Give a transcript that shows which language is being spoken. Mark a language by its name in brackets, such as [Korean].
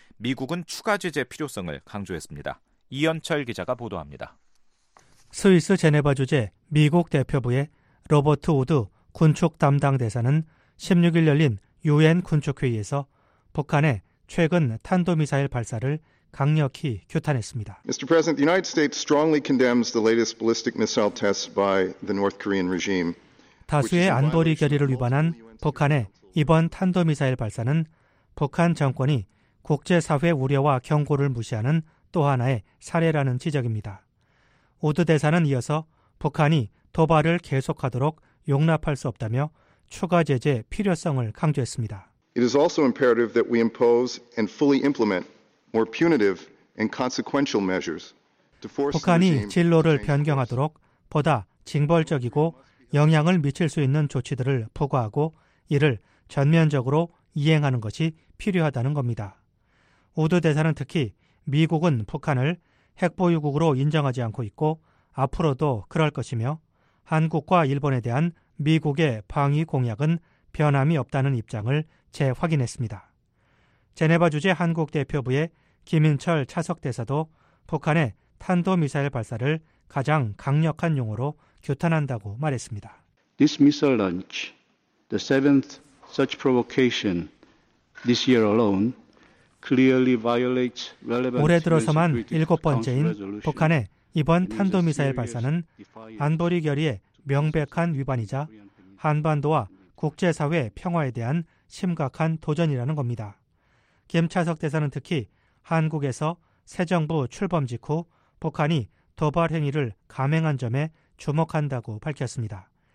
[Korean] 미국은 추가 제재 필요성을 강조했습니다. 이현철 기자가 보도합니다. 스위스 제네바 주재 미국 대표부의 로버트 우드 군축 담당 대사는 16일 열린 유엔 군축회의에서 북한의 최근 탄도미사일 발사를 강력히 규탄했습니다. [English] Mr. President, the United States strongly condemns the latest ballistic missile tests by the North Korean regime. [Korean] 다수의 안보리 결의를 위반한 북한의 이번 탄도미사일 발사는 북한 정권이 국제사회 우려와 경고를 무시하는 또 하나의 사례라는 지적입니다. 우드 대사는 이어서 북한이 도발을 계속하도록 용납할 수 없다며 추가 제재 필요성을 강조했습니다. [English] It is also imperative that we impose and fully implement more punitive and consequential measures to force [Korean] 북한이 진로를 변경하도록 보다 징벌적이고 영향을 미칠 수 있는 조치들을 부과하고 이를 전면적으로 이행하는 것이 필요하다는 겁니다. 우드 대사는 특히 미국은 북한을 핵보유국으로 인정하지 않고 있고 앞으로도 그럴 것이며 한국과 일본에 대한 미국의 방위 공약은 변함이 없다는 입장을 재확인했습니다. 제네바 주재 한국 대표부의 김인철 차석 대사도 북한의 탄도미사일 발사를 가장 강력한 용어로 규탄한다고 말했습니다. [English] This missile launch, the seventh such provocation this year alone, clearly violates relevant. [Korean] 올해 들어서만 일곱 번째인 북한의 이번 탄도미사일 발사는 안보리 결의의 명백한 위반이자 한반도와 국제사회 평화에 대한 심각한 도전이라는 겁니다. 김 차석 대사는 특히 한국에서 새 정부 출범 직후 북한이 도발 행위를 감행한 점에 주목한다고 밝혔습니다.